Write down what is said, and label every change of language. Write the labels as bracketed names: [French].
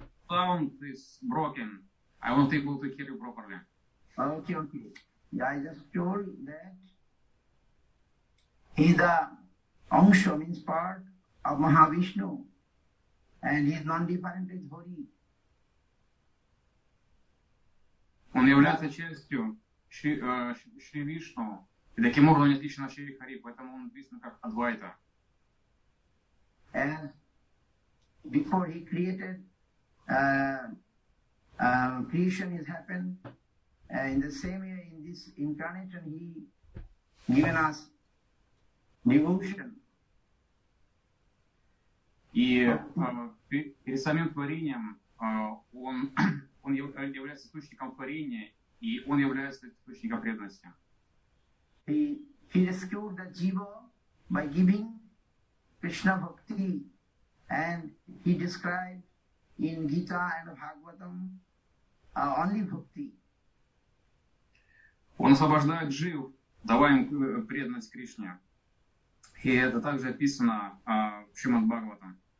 [English] Sound is broken. I won't be able to hear you properly. Okay, okay. Yeah, I just told that he's the Angsha, means part of Mahavishnu, and he's non-different with Hari. [Russian] Он является частью Шри Вишну, и таким образом он отличен от Шри Хари, поэтому он известен как Адвайта. [English] And before he created, creation has happened, in the same way in this incarnation he given us devotion. [Russian] И перед самим творением он он является источником творения, и он является источником преданности. [English] He rescued the jiva by giving Krishna bhakti, and he described in Gita and Bhagavatam only bhakti. [Russian] Он освобождает жив, давая им преданность Кришне. И это также описано в Шримад Бхагаватам.